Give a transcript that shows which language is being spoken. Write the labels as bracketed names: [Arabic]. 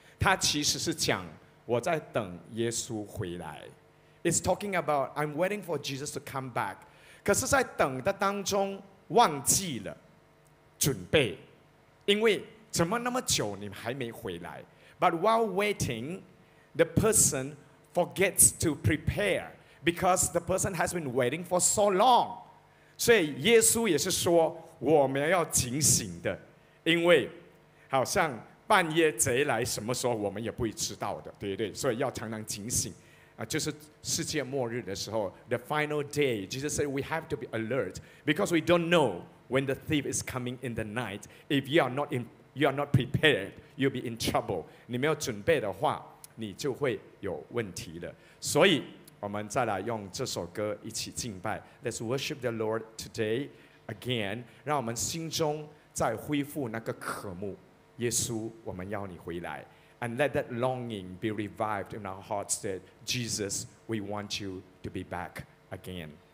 [Chinese] 它其实是讲我在等耶稣回来。 [English] It's talking about I'm waiting for Jesus to come back. [Chinese] 可是，在等的当中忘记了准备，因为。怎么那么久你还没回来 [English] But while waiting, the person forgets to prepare because the person has been waiting for so long. [Chinese] 所以耶稣也是说我们要警醒的因为好像半夜贼来什么时候我们也不会知道的对不对所以要常常警醒、就是世界末日的时候 [English] The final day, Jesus said we have to be alert because we don't know when the thief is coming in the night if you are not inYou are not prepared. You'll be in trouble. [Chinese] 你没有准备的话，你就会有问题了。所以，我们再来用这首歌一起敬拜。 [English] Let's worship the Lord today again. [Chinese] 让我们心中再恢复那个渴慕。耶稣，我们要你回来。 [English] And let that longing be revived in our hearts that Jesus, we want you to be back again.